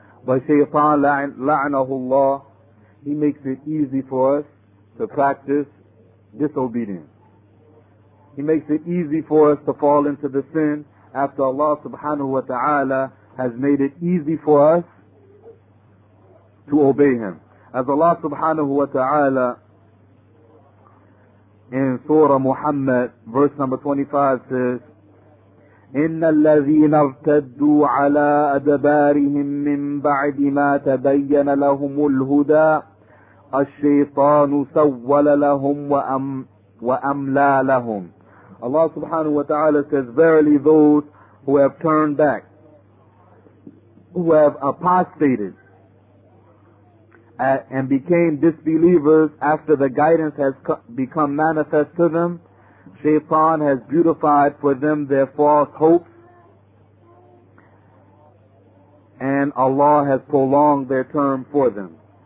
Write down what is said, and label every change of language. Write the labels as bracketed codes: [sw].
[en] But shaitan, la'anahu Allah, he makes it easy for us to practice disobedience. He makes it easy for us to fall into the sin after Allah subhanahu wa ta'ala has made it easy for us to obey Him. As Allah subhanahu wa ta'ala in Surah Muhammad, verse number 25 says, [ar] إِنَّ الَّذِينَ ارْتَدُّوا عَلَىٰ أَدْبَارِهِمْ مِنْ بَعْدِ مَا تَبَيَّنَ لَهُمُ الْهُدَىٰ الشَّيْطَانُ سَوَّلَ لَهُمْ وَأَمْلَىٰ لَهُمْ. [en] Allah subhanahu wa ta'ala says, verily those who have turned back, who have apostated and became disbelievers after the guidance has become manifest to them, shaitan has beautified for them their false hopes, and Allah has prolonged their term for them.